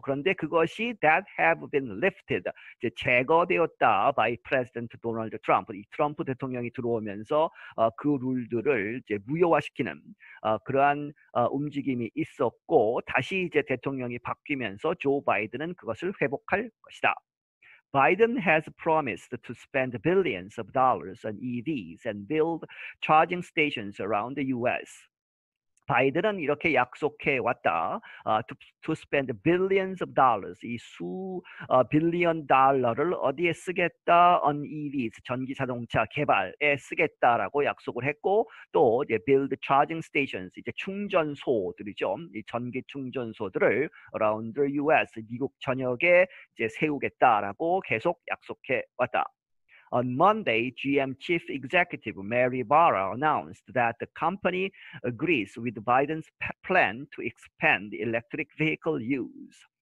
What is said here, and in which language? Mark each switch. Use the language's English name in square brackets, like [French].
[Korean] 그런데 그것이 [English] that have been lifted, [Korean] 이제 제거되었다 [English] by President Donald Trump. [Korean] 이 트럼프 대통령이 들어오면서 그 룰들을 이제 무효화시키는 그러한 움직임이 있었고 다시 이제 대통령이 바뀌면서 조 바이든은 그것을 회복할 것이다. [English] Biden has promised to spend billions of dollars on EVs and build charging stations around the US. [Korean] 바이든은 이렇게 약속해 왔다. [English] To spend billions of dollars. [Korean] 이 빌리언 달러를 어디에 쓰겠다? [English] On EVs. [Korean] 전기 자동차 개발에 쓰겠다라고 약속을 했고, 또, 이제 [English] build charging stations. [Korean] 이제 충전소들이죠. 이 전기 충전소들을 [English] around the US. [Korean] 미국 전역에 이제 세우겠다라고 계속 약속해 왔다. [English] On Monday, GM Chief Executive Mary Barra announced that the company agrees with Biden's plan to expand electric vehicle use.